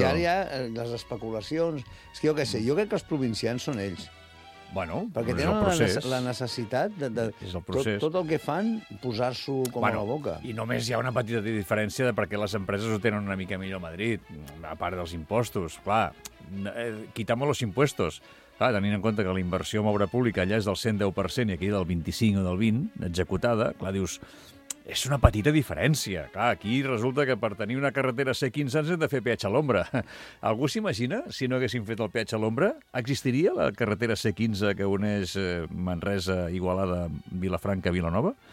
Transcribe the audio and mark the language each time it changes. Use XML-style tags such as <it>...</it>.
<ca>I ara hi ha les especulacions... És que jo què sé, jo crec que els provincians són ells. Bueno, perquè tenen la necessitat de tot el que fan posar-s'ho com a la boca. I només hi ha una petita diferència de perquè les empreses ho tenen una mica millor a Madrid, a part dels impostos.</ca> <es>Clar, quitamos los impuestos.</es> <ca>Clar, tenint en compte que la inversió en obra pública allà és del 110% i aquí del 25 o del 20 executada, clar, dius... És una petita diferència. Clar, aquí resulta que per tenir una carretera C15 ens hem de fer peatge a l'ombra. Algú s'imagina, si no haguéssim fet el peatge a l'ombra, existiria la carretera C15 que uneix Manresa, Igualada, Vilafranca, Vilanova?</ca>